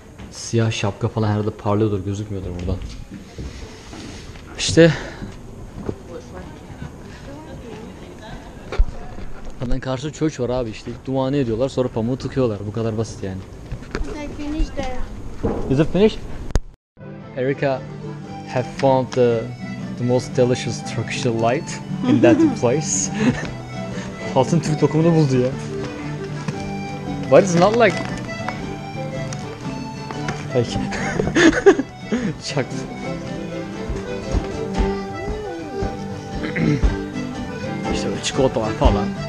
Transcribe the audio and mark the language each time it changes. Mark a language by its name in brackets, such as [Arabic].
[Turkish] Siyah şapka falan herhalde parlıyordur, gözükmüyordur buradan. İşte. Adamın karşısında çöç var abi işte. Duanı ediyorlar sonra pamuğu tıkıyorlar. Bu kadar basit yani. [English] Is it finished? Erika have found the most delicious Turkish delight in that place. [Turkish] Altın Türk tokumunu buldu ya. [English] But it's not like... [Turkish] Peki. Çaktı. İşte böyle çikolatalar falan.